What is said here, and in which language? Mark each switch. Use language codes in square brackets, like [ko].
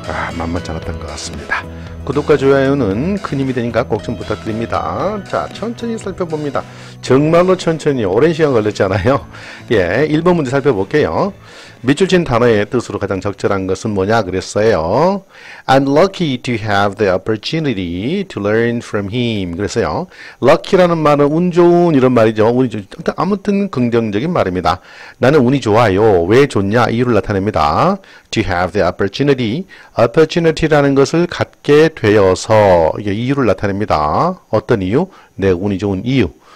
[ko] 아, 만만치 않았던 것 같습니다. 구독과 좋아요는 큰 힘이 되니까 꼭 좀 부탁드립니다. 자, 천천히 살펴봅니다. 정말로 천천히 오랜 시간 걸렸잖아요. 예, 1번 문제 살펴볼게요. 밑줄 친 단어의 뜻으로 가장 적절한 것은 뭐냐 그랬어요. [en] I'm lucky to have the opportunity to learn from him. [ko] 그랬어요. lucky라는 말은 운 좋은 이런 말이죠. 운이 좋은, 아무튼 긍정적인 말입니다. 나는 운이 좋아요. 왜 좋냐? 이유를 나타냅니다. [en] to have the opportunity. [ko] opportunity라는 것을 갖게 되어서 이게 이유를 나타냅니다. 어떤 이유? 내 운이 좋은 이유.